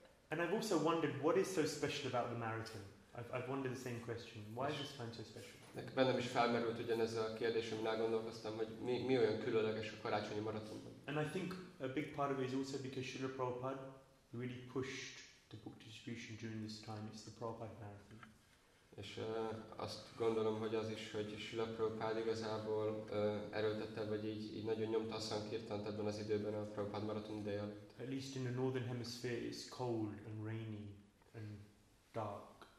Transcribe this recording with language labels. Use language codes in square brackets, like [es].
[en] And I've also wondered, what is so special about the marathon? I've wondered the same question. Why is this time so special? [hu] Bennem is felmerült ugyanez a kérdés, amin elgondolkoztam, hogy mi olyan különleges a karácsonyi maratonban. [en] And I think a big part of it is also because Srila Prabhupada really pushed the book distribution during this time. It's the Prabhupada marathon. [hu] És azt gondolom, hogy az is, hogy Srila Prabhupada igazából erőltette, vagy így nagyon nyomta a szankirtant ebben az időben a Prabhupada maraton ideje alatt. [en] At least in the northern hemisphere it's cold and rainy and dark.